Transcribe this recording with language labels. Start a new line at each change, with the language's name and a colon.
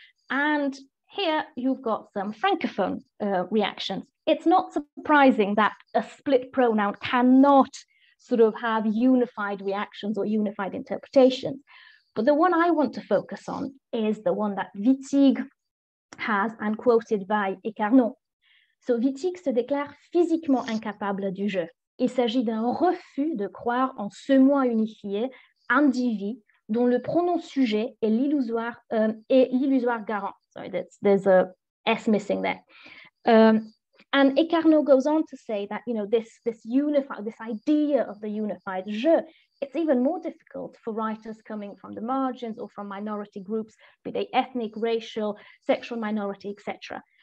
English: And here you've got some Francophone reactions. It's not surprising that a split pronoun cannot sort of have unified reactions or unified interpretations. But the one I want to focus on is the one that Wittig has and quoted by Écarnot.
French: So Wittig se déclare physiquement incapable du jeu. Il s'agit d'un refus de croire en ce moi unifié, individu, dont le pronom sujet est l'illusoire garant.
English: Sorry, there's a S missing there. And Écarnot goes on to say that, you know, this idea of the unified je, it's even more difficult for writers coming from the margins or from minority groups, be they ethnic, racial, sexual minority, etc.